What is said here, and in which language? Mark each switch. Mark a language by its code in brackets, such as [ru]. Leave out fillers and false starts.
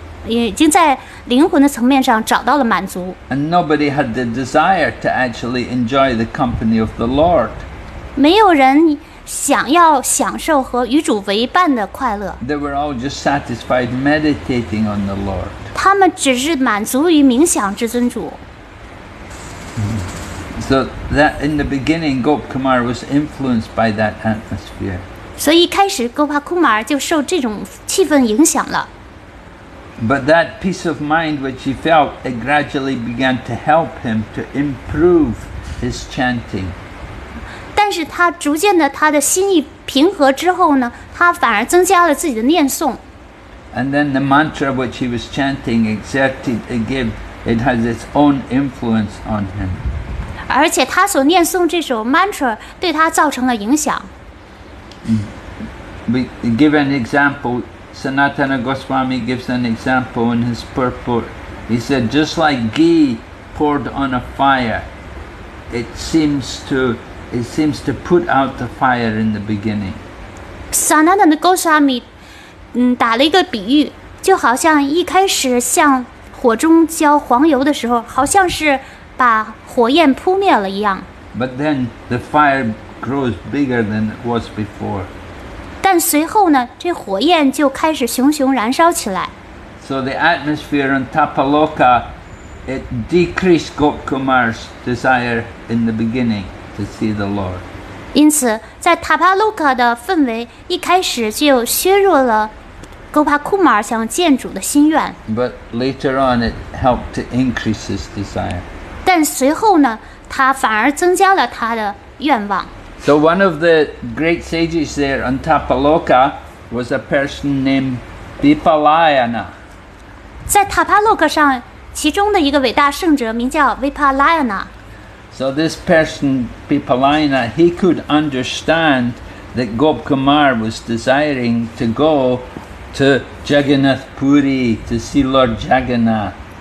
[zh] 已经在灵魂的层面上找到了满足。 [en] And nobody had the desire to actually enjoy the company of the Lord. [zh] 没有人想要享受和与主为伴的快乐。 [en] They were all just satisfied meditating on the Lord. [zh] 他们只是满足于冥想至尊主。 [en] So that in the beginning, Gopakumar was influenced by that atmosphere. [zh] 所以一开始 Gopakumar 就受这种气氛影响了。 [en] But that peace of mind which he felt, it gradually began to help him to improve his chanting. [zh] 但是他逐渐的他的心意平和之后呢，他反而增加了自己的念诵。 [en] And then the mantra which he was chanting exerted again, it has its own influence on him. [zh] 而且他所念诵这首 mantra 对他造成了影响。 [en] We give an example. Sanatana Goswami gives an example in his purport. He said, just like ghee poured on a fire, it seems to put out the fire in the beginning. [zh] Sanatana Goswami 打了一个比喻，就好像一开始像火中浇黄油的时候，好像是把火焰扑灭了一样。 [en] But then the fire grows bigger than it was before. [zh] 但随后呢，这火焰就开始熊熊燃烧起来。 [en] So the atmosphere in Tapaloka, it decreased Gopakumar's desire in the beginning to see the Lord. [zh] 因此，在 Tapaloka 的氛围一开始就削弱了 Gopakumar 想见主的心愿。 [en] But later on, it helped to increase his desire. [zh] 但随后呢，他反而增加了他的愿望。 [en] So one of the great sages there on Tapaloka was a person named Vipalayana. [zh] 在 Tapaloka 上，其中的一个伟大圣者名叫 Vipalayana. [en] So this person, Vipalayana, he could understand that Gopakumar was desiring to go to Jagannath Puri to see Lord Jagannath.